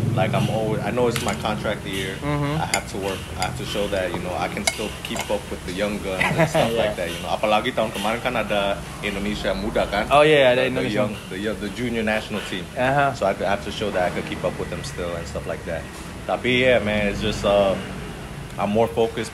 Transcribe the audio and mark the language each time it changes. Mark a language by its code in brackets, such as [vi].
[en] Like I'm always, I know it's my contract year. Mm-hmm. I have to work. I have to show that, you know, I can still keep up with the young guns and stuff like that. You know, [id] apalagi tahun kemarin kan ada Indonesia muda kan? Oh yeah, ada Indonesia. [en] The junior national team. Uh-huh. So I have to show that I can keep up with them still and stuff like that. [id] Tapi [en] yeah, man, it's just I'm more focused.